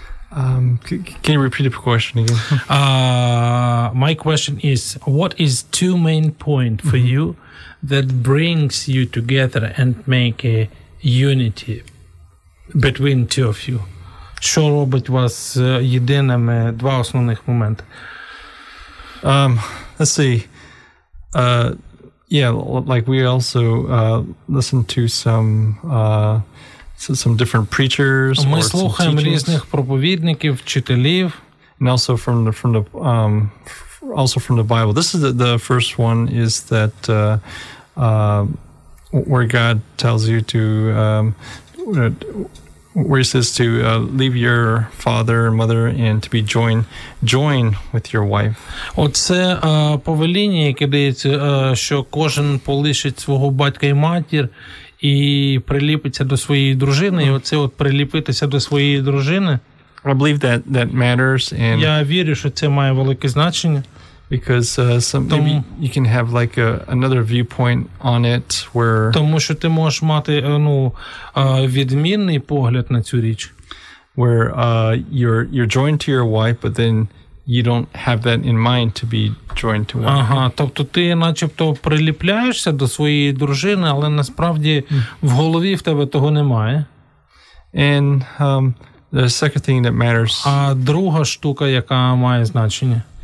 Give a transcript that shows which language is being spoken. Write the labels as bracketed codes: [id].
[en] Can you repeat the question again? My question is, what is two main points for you that brings you together and make a unity between two of you? [uk] Що робить вас єдиними два основних моменти? [en] Let's see. Like we also listen to some different preachers, [uk] ми слухаємо різних проповідників, вчителів, [en] and also from the Bible. This is the first one is that where God tells you to where he says to leave your father and mother and to be joined with your wife. [uk] Оце повеління, яке дається, що кожен полишить свого батька і матір і приліпиться до своєї дружини, і оце от приліпитися до своєї дружини. [en] I believe that that matters, and [uk] я вірю, що це має велике значення, [en] because maybe you can have like another viewpoint on it where [uk] тому що ти можеш мати, ну, відмінний погляд на цю річ. [en] Where you're joined to your wife, but then you don't have that in mind to be joined to one. [uk] Ага, тобто ти начебто приліпляєшся до своєї дружини, але насправді в голові в тебе того немає. [en] And the second thing that matters. [uk] А друга штука, яка має значення.